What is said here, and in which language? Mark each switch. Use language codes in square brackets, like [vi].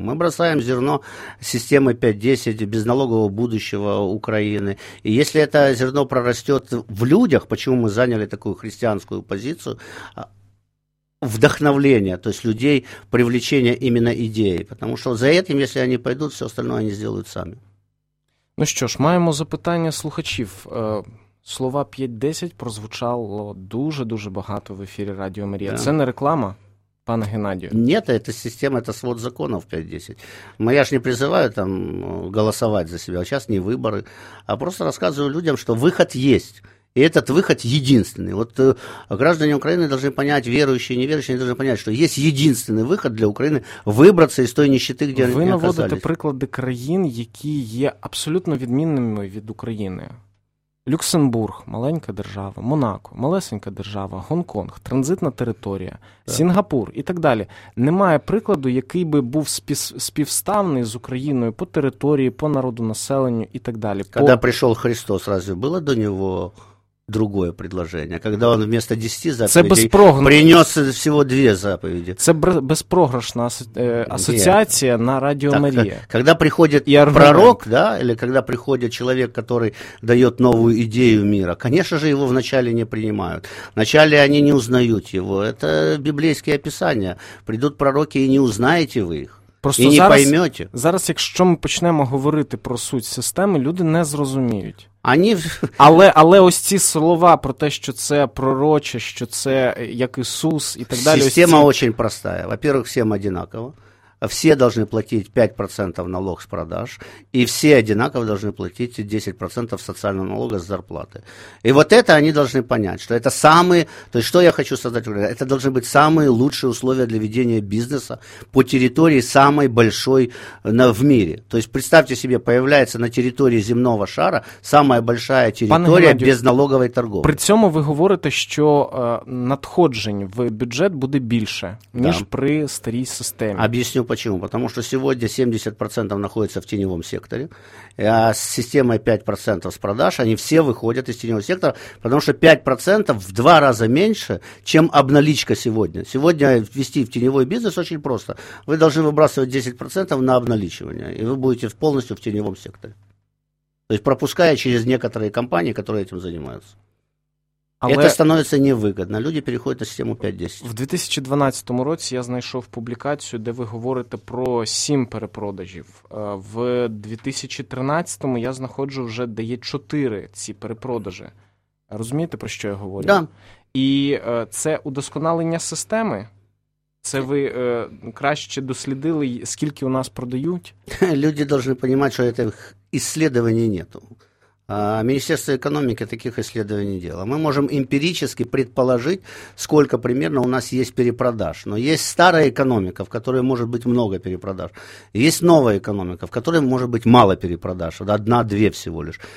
[ru] Мы бросаем зерно системы 5-10, безналогового будущего Украины. И если это зерно прорастет в людях, почему мы заняли такую христианскую позицию, вдохновление, то есть людей, привлечение именно идеи. Потому что за этим, если они пойдут, все остальное они сделают сами. Ну что ж, [uk] маємо запитання слухачів. Слова 5-10 прозвучало дуже-дуже багато в ефірі Радіо Марія. [ru] Да. [uk] Це не реклама? Пане Геннадію. Ні, це система, це свод законів 5-10. Я ж не призиваю там голосувати за себе, а зараз не вибори, а просто розказую людям, що вихід є. [ru] И этот выход единственный. Вот граждане Украины должны понять, верующие, неверующие, они должны понять, что есть единственный выход для Украины выбраться из той нищеты, где они оказались. Вы наводите [uk] приклады країн, які є абсолютно відмінними від України. Люксембург, маленька держава, Монако, малесенька держава, Гонконг, транзитна територія, так. Сінгапур і так далі. Немає прикладу, який би був співставний з Україною по території, по народу, населенню і так далі. Коли прийшов Христос, [ru] разве [uk] було до нього [ru] другое предложение, когда он вместо 10 заповедей принес всего 2 заповеди. [uk] Це безпрограшна асоціація на Радіо Марія. [ru] Когда приходит пророк, да, или когда приходит человек, который дает новую идею мира, конечно же, его вначале не принимают. Вначале они не узнают его. Это библейские описания. Придут пророки, и не узнаете вы их. Просто [uk] і не зараз, [ru] поймете. [uk] Зараз, якщо ми почнемо говорити про суть системи, люди не зрозуміють. [ru] Они... [uk] Але ось ці слова про те, що це пророче, що це як Ісус і так далі. Система дуже проста. [ru] Во-первых, [uk] всім однаково. [ru] все должны платить 5% налог с продаж, и все одинаково должны платить 10% социального налога с зарплаты. И вот это они должны понять, что это самые, то есть что я хочу создать, это должны быть самые лучшие условия для ведения бизнеса по территории самой большой в мире. То есть представьте себе, появляется на территории земного шара самая большая территория без налоговой торговли. При этом вы говорите, что надходжень в бюджет будет больше, [uk] ніж при старій системі. [ru] Объясню почему. Потому что сегодня 70% находится в теневом секторе, а с системой 5% с продаж они все выходят из теневого сектора, потому что 5% в два раза меньше, чем обналичка сегодня. Сегодня ввести в теневой бизнес очень просто. Вы должны выбрасывать 10% на обналичивание, и вы будете полностью в теневом секторе. То есть пропуская через некоторые компании, которые этим занимаются. [uk] Але... [ru] Это становится невыгодно. Люди переходят на систему 5-10. [uk] В 2012 році я знайшов публікацію, де ви говорите про 7 перепродажів. В 2013 я знаходжу вже, де є 4 ці перепродажі. Розумієте, про що я говорю? [ru] Да. [uk] І це удосконалення системи? Це ви краще дослідили, скільки у нас продають? Люди повинні розуміти, що цих дослідження нету. [ru] Министерство экономики таких исследований не делало. Мы можем эмпирически предположить, сколько примерно у нас есть перепродаж. Но есть старая экономика, в которой может быть много перепродаж. Есть новая экономика, в которой может быть мало перепродаж. Одна-две всего лишь.